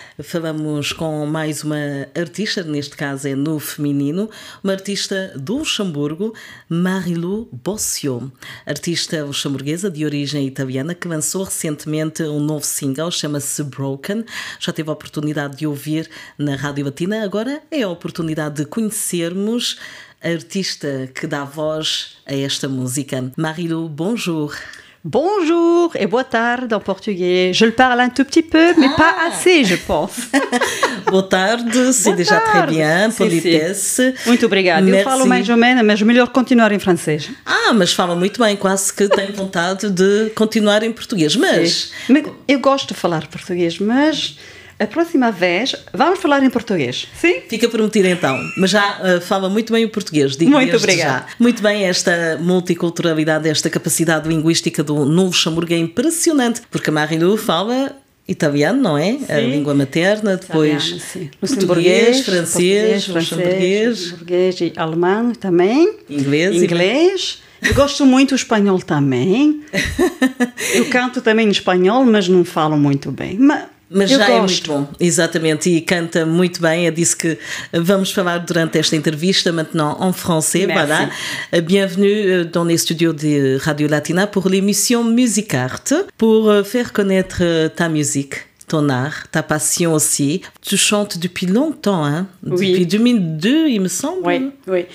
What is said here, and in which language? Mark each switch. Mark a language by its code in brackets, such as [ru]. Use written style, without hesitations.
[pt] Falamos com mais uma artista, neste caso é no feminino, uma artista do Luxemburgo, Marilu Bossio, artista luxemburguesa de origem italiana, que lançou recentemente um novo single, chama-se Broken. Já teve a oportunidade de ouvir na Rádio Latina, agora é a oportunidade de conhecermos a artista que dá voz a esta música. [fr] Marilu, bonjour. Bonjour et [pt] boa tarde [fr] en portugais. Je le parle un tout petit peu, mais pas assez, je pense. [pt] Boa tarde, [fr] c'est déjà très bien, politesse. [pt] Muito obrigada. Merci. Eu falo mais ou menos, mas melhor continuar em francês. Ah, mas fala muito bem, quase que tenho vontade de continuar em português, mas... Sim. Eu gosto de falar português, mas... A próxima vez, vamos falar em português, sim? Fica prometido então, mas já fala muito bem o português, digo desde já. Muito obrigada. Muito bem, esta multiculturalidade, esta capacidade linguística do novo Luxemburgo é impressionante, porque a Marilu fala italiano, não é? Sim. A língua materna, depois italiano, português, francês, luxemburguês. Português e alemão também. Inglês. Inglês. Eu gosto muito o espanhol também. Eu canto também em espanhol, mas não falo muito bem, mas eu já gosto. É muito bom, exatamente, e canta muito bem. É disso que vamos falar durante esta entrevista. [fr] Maintenant en français, voilà. Bienvenue dans les studios de Radio Latina pour l'émission Musicarte, pour faire connaître ta musique, ton art, ta passion aussi. Tu chantes depuis longtemps, hein? Oui. Depuis 2002, il me semble. Oui, oui.